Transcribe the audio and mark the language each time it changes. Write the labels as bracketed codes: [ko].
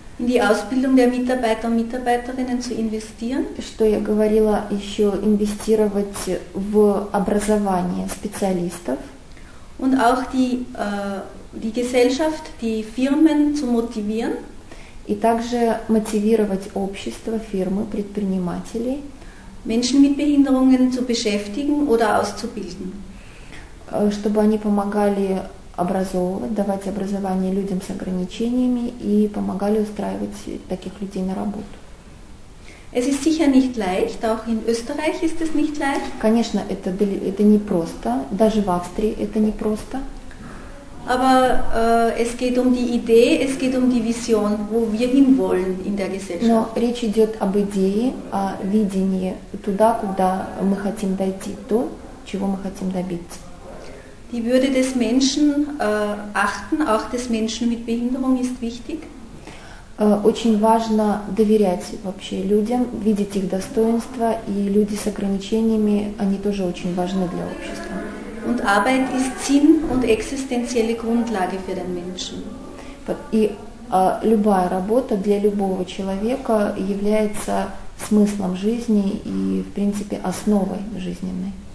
[de] In die Ausbildung der Mitarbeiter und Mitarbeiterinnen zu investieren. [ru] Что я говорила еще, инвестировать в образование специалистов. [de] Und auch die Gesellschaft, die Firmen zu motivieren. [ru] И также мотивировать общество, фирмы, предпринимателей. [de] Menschen mit Behinderungen zu beschäftigen oder auszubilden. [ru] Чтобы они помогали образовывать, давать образование людям с ограничениями и помогали устраивать таких людей на работу. [de] Es ist sicher nicht leicht, auch in Österreich ist es nicht leicht. [ru] Конечно, это непросто, даже в Австрии это непросто. [de] Aber es geht um die Idee, es geht um die Vision, wo wir hinwollen in der Gesellschaft. [ru] Но речь идет об идее, о видении туда, куда мы хотим дойти, то, чего мы хотим добиться. [de] Die Würde des Menschen achten, auch des Menschen mit Behinderung ist wichtig. [ru] Очень важно доверять вообще людям, видеть их достоинства, и люди с ограничениями, они тоже очень важны для общества. [de] Und Arbeit ist Sinn und existenzielle Grundlage für den Menschen. [ru] И любая работа для любого человека является смыслом жизни и, в принципе, основой жизненной.